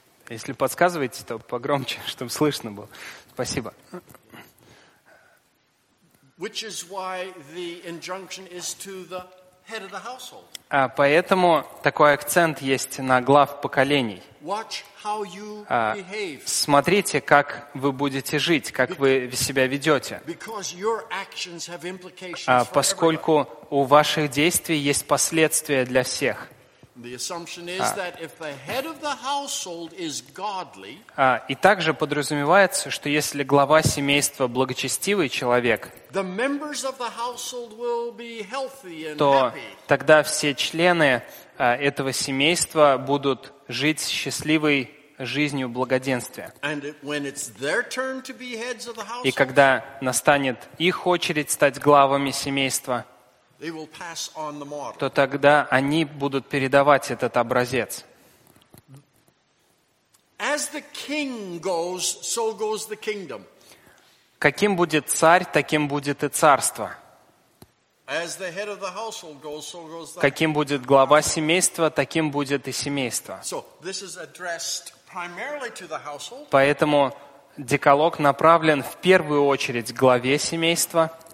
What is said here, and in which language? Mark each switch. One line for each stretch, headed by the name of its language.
Russian: Если подсказываете, то погромче, чтобы слышно было. Спасибо.
English: Which is why the injunction is to the head of the household.
Russian: А поэтому такой акцент есть на глав поколений.
English: Watch how you behave.
Russian: Смотрите, как вы будете жить, как вы себя ведете.
English: Because your actions have implications.
Russian: Поскольку у ваших действий есть последствия для всех.
English: The assumption is that if the head of the household is godly,
Russian: и также подразумевается, что если глава семейства благочестивый человек,
English: the members of the household will be healthy and happy.
Russian: То тогда все члены этого семейства будут жить счастливой жизнью благоденствия.
English: And when it's their turn to be heads of the household,
Russian: и когда настанет их очередь стать главами семейства,
English: they will pass on the model.
Russian: То тогда они будут передавать этот образец.
English: As the king goes, so goes the kingdom.
Russian: Каким будет царь, таким будет и царство.
English: As the head of the household goes, so goes the...
Russian: Каким будет глава семейства, таким будет и семейство.
English: So this is addressed primarily to the household.
Russian: Поэтому Деколог направлен в первую очередь главе семейства.